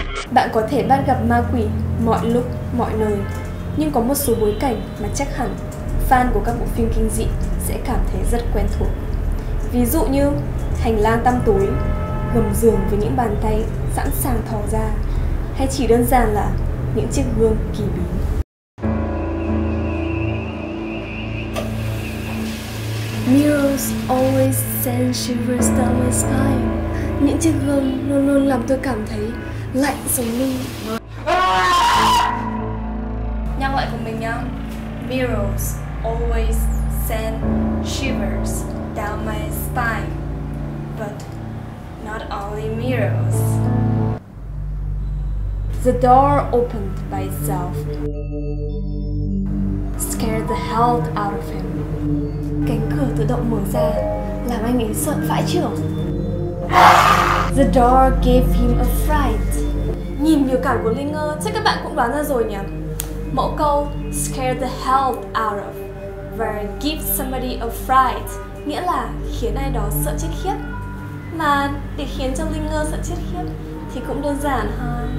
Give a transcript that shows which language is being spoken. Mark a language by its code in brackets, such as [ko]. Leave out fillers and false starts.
[vi] Bạn có thể bắt gặp ma quỷ mọi lúc, mọi nơi, nhưng có một số bối cảnh mà chắc hẳn fan của các bộ phim kinh dị sẽ cảm thấy rất quen thuộc. Ví dụ như hành lang tăm tối, gầm giường với những bàn tay sẵn sàng thò ra, hay chỉ đơn giản là những chiếc gương kỳ bí. [en] Mirrors always send shivers down my spine. [vi] Những chiếc gương luôn luôn làm tôi cảm thấy lạnh sống lưng. Nhắc lại cùng mình nhá. [en] Mirrors always send shivers down my spine, but not only mirrors. The door opened by itself, scared the hell out of him. [vi] Cánh cửa tự động mở ra làm anh ấy sợ phải chưa? [en] The door gave him a fright. [vi] Nhìn biểu cảm của Linh Ngơ chắc các bạn cũng đoán ra rồi nhỉ? Mẫu câu scared the hell out of và give somebody a fright nghĩa là khiến ai đó sợ chết khiếp. Mà để khiến cho Linh Ngơ sợ chết khiếp thì cũng đơn giản thôi.